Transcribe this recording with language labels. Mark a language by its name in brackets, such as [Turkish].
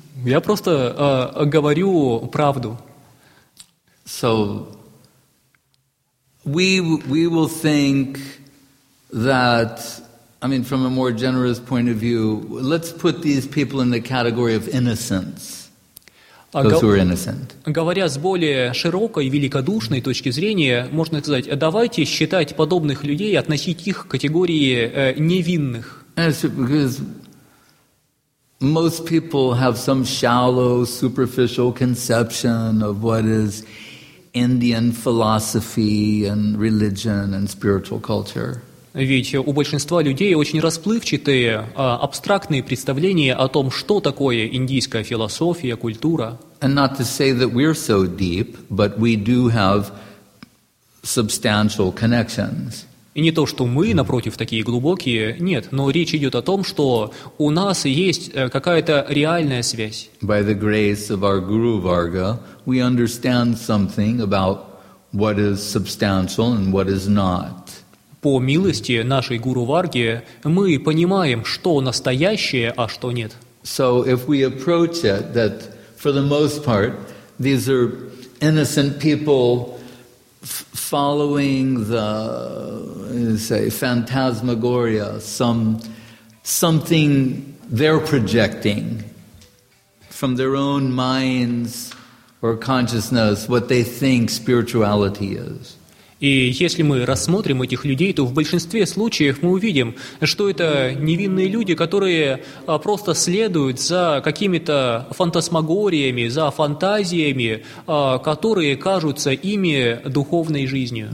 [Russian] Я просто говорю правду. [English] So we will think that, I mean, from a more generous point of view, let's put these people in the category of innocence. Those who are innocent. [Russian] Говоря с более широкой и великодушной точки зрения, можно сказать, давайте считать подобных людей, относить их к категории невинных. [English] Most people have some shallow, superficial conception of what is Indian philosophy and religion and spiritual culture. [Russian] Ведь у большинства людей очень расплывчатые, абстрактные представления о том, что такое индийская философия, культура. [English] And not to say that we're so deep, but we do have substantial connections. [Russian] И не то, что мы, напротив, такие глубокие, нет, но речь идет о том, что у нас есть какая-то реальная связь. [English] By the grace of our Guru Varga, we understand something about what is substantial and what is not. [Russian] По милости нашей Гуру Варги, мы понимаем, что настоящее, а что нет. [English] So if we approach it, that for the most part, these are innocent people following the, say, phantasmagoria, something they're projecting from their own minds or consciousness, what they think spirituality is. [Russian] И если мы рассмотрим этих людей, то в большинстве случаев мы увидим, что это невинные люди, которые просто следуют за какими-то фантасмагориями, за фантазиями, которые кажутся ими духовной жизнью.